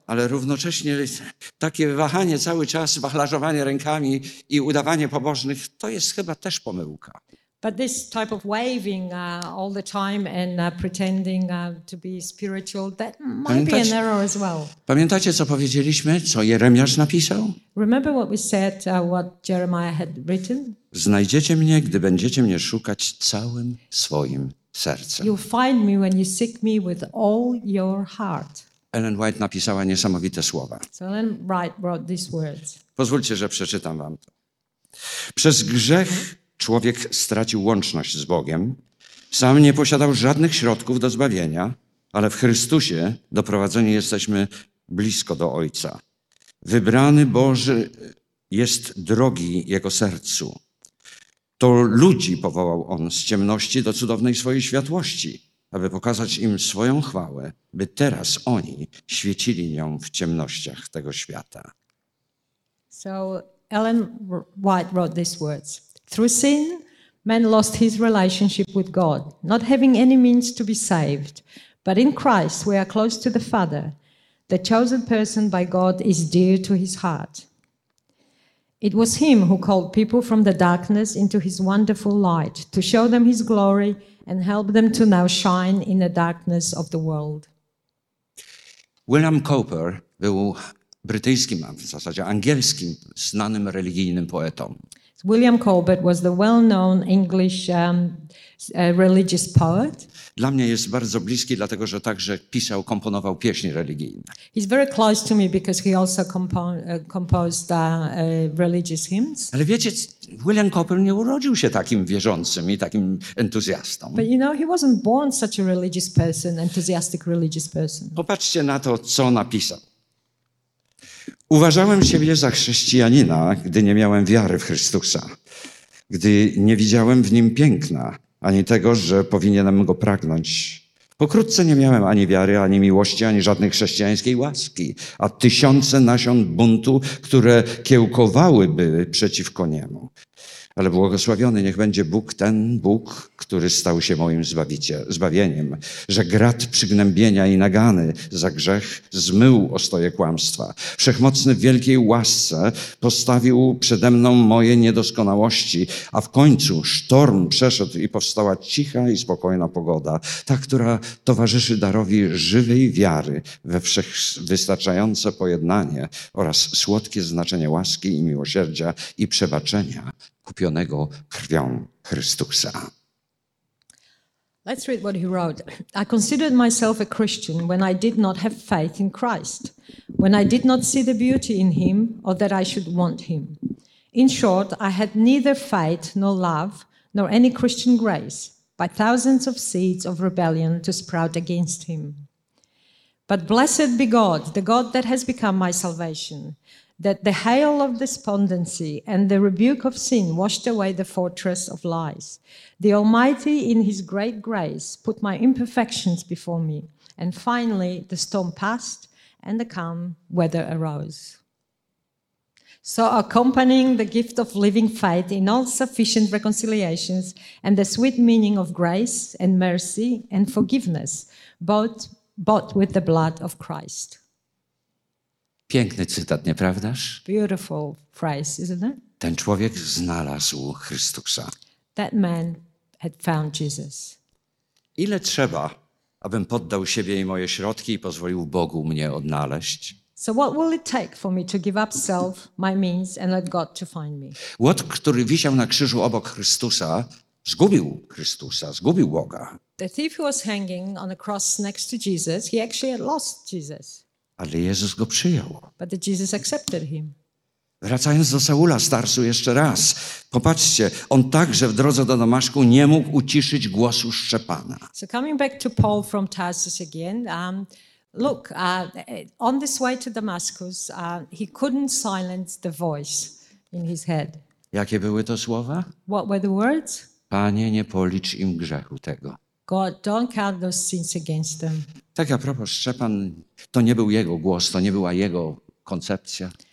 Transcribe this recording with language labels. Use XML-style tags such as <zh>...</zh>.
<pl>Ale równocześnie takie wahanie cały czas, wachlarzowanie rękami i udawanie pobożnych, to jest chyba też pomyłka.</pl> <en>But this type of waving all the time and pretending to be spiritual, that might be an error as well.</en> <pl>Pamiętacie, co powiedzieliśmy, co Jeremiasz napisał?</pl> <en>Remember what we said, what Jeremiah had written?</en> <pl>Znajdziecie mnie, gdy będziecie mnie szukać całym swoim sercem.</pl> <en>You'll find me when you seek me with all your heart.</en> <pl>Ellen White napisała niesamowite słowa.</pl> <en>So Ellen White wrote these words.</en> <pl>Pozwólcie, że przeczytam wam to. Przez grzech człowiek stracił łączność z Bogiem. Sam nie posiadał żadnych środków do zbawienia, ale w Chrystusie doprowadzeni jesteśmy blisko do Ojca. Wybrany Boży jest drogi Jego sercu. To ludzi powołał On z ciemności do cudownej swojej światłości, aby pokazać im swoją chwałę, by teraz oni świecili nią w ciemnościach tego świata.</pl> <en>So Ellen White wrote these words. Through sin, man lost his relationship with God, not having any means to be saved. But in Christ, we are close to the Father. The chosen person by God is dear to his heart. It was him who called people from the darkness into his wonderful light to show them his glory and help them to now shine in the darkness of the world.</en> <pl>William Cowper był brytyjskim, a w zasadzie angielskim, znanym religijnym poetą.</pl> <en>William Cowper was the well-known English religious poet.</en> <pl>Dla mnie jest bardzo bliski, dlatego że także pisał, komponował pieśni religijne.</pl> <en>He's very close to me because he also composed religious hymns.</en> <pl>Ale wiecie, William Cowper nie urodził się takim wierzącym i takim entuzjastą.</pl> <en>But you know, he wasn't born such a religious person, enthusiastic religious person.</en> <pl>Popatrzcie na to, co napisał. Uważałem siebie za chrześcijanina, gdy nie miałem wiary w Chrystusa, gdy nie widziałem w Nim piękna, ani tego, że powinienem Go pragnąć. Pokrótce nie miałem ani wiary, ani miłości, ani żadnej chrześcijańskiej łaski, a tysiące nasion buntu, które kiełkowałyby przeciwko Niemu. Ale błogosławiony niech będzie Bóg, ten Bóg, który stał się moim zbawieniem, że grat przygnębienia i nagany za grzech zmył ostoje kłamstwa. Wszechmocny w wielkiej łasce postawił przede mną moje niedoskonałości, a w końcu sztorm przeszedł i powstała cicha i spokojna pogoda, ta, która towarzyszy darowi żywej wiary we wszechwystarczające pojednanie oraz słodkie znaczenie łaski i miłosierdzia i przebaczenia kupionego krwią Chrystusa.</pl> <en>Let's read what he wrote. I considered myself a Christian when I did not have faith in Christ, when I did not see the beauty in him or that I should want him. In short, I had neither faith nor love nor any Christian grace, but thousands of seeds of rebellion to sprout against him. But blessed be God, the God that has become my salvation, that the hail of despondency and the rebuke of sin washed away the fortress of lies. The Almighty in His great grace put my imperfections before me, and finally the storm passed and the calm weather arose. So accompanying the gift of living faith in all sufficient reconciliations and the sweet meaning of grace and mercy and forgiveness, both bought with the blood of Christ.</en> <pl>Piękny cytat, nieprawdaż?</pl> <en>Beautiful phrase, isn't it?</en> <pl>Ten człowiek znalazł Chrystusa.</pl> <en>That man had found Jesus.</en> <pl>Ile trzeba, abym poddał siebie i moje środki i pozwolił Bogu mnie odnaleźć?</pl> <en>So what will it take for me to give up self, my means and let God to find me?</en> <pl>Łot, który wisiał na krzyżu obok Chrystusa, zgubił Chrystusa, zgubił Boga.</pl> <en>The thief who was hanging on the cross next to Jesus, he actually had lost Jesus.</en> <pl>Ale Jezus go przyjął.</pl> <en>But Jesus accepted him.</en> <pl>Wracając do Saula, starszy jeszcze raz. Popatrzcie, on także w drodze do Damaszku nie mógł uciszyć głosu Szczepana.</pl> <en>So coming back to Paul from Tarsus again, look, on this way to Damascus, he couldn't silence the voice in his head.</en> <pl>Jakie były to słowa?</pl> <en>What were the words?</en> <pl>Panie, nie policz im grzechu tego.</pl> <en>God, don't count those sins against them.</en> <pl>Tak a propos, Szczepan, to nie był jego głos, to nie była jego koncepcja.</pl>